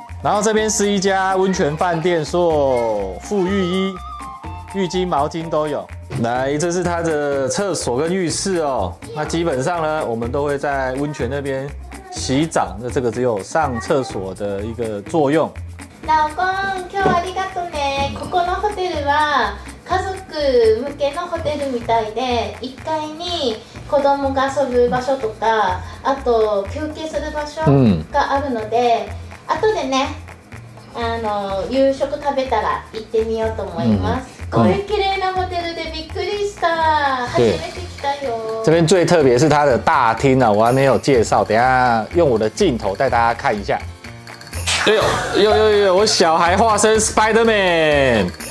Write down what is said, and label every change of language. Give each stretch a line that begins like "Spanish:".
Chinese: 然后这边是一家温泉饭店，所以附浴衣、浴巾、毛巾都有。来，这是他的厕所跟浴室哦。那基本上呢，我们都会在温泉那边洗澡。那这个只有上厕所的一个作用。
Japanese: 老公，今日ありがとうね。ここのホテルは家族向けのホテルみたいで、一階に子供が遊ぶ場所とか、あと休憩する場所があるので、あとでね、夕食食べたら行ってみようと思います。こういう綺麗なホテルでびっくりした。初めて来たよ。
Chinese: 这边最特别是它的大厅啊，我还没有介绍，等一下用我的镜头带大家看一下。哎呦，呦呦呦，我小孩化身 Spider-Man。